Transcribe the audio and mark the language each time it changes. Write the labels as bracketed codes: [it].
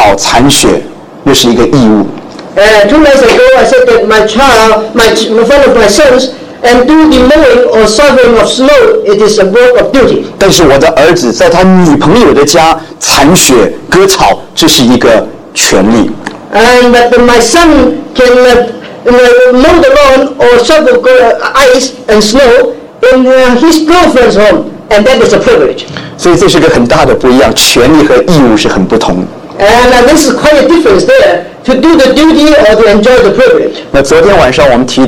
[zh] 我前天晚上讲过，我的儿子在家里面割草铲雪，那是一个义务。 [en] Two months ago, I said that one of my sons, and do the mowing or shoveling of snow, it is a work of duty. [zh] 但是我的儿子在他女朋友的家铲雪割草，这是一个权利。 [en] And that my son can mow the lawn or shovel ice and snow in his girlfriend's home, and that is a privilege. [zh] 所以这是个很大的不一样，权利和义务是很不同。And [en] this is quite a difference there, to do the duty or to enjoy the privilege.